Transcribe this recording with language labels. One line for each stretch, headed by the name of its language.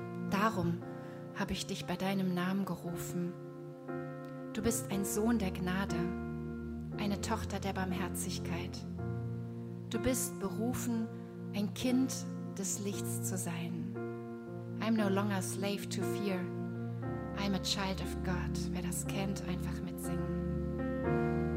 German: Darum habe ich dich bei deinem Namen gerufen. Du bist ein Sohn der Gnade, eine Tochter der Barmherzigkeit. Du bist berufen, ein Kind des Lichts zu sein.
English: I'm no longer slave to fear. I'm a child of God.
German: Wer das kennt, einfach mitsingen.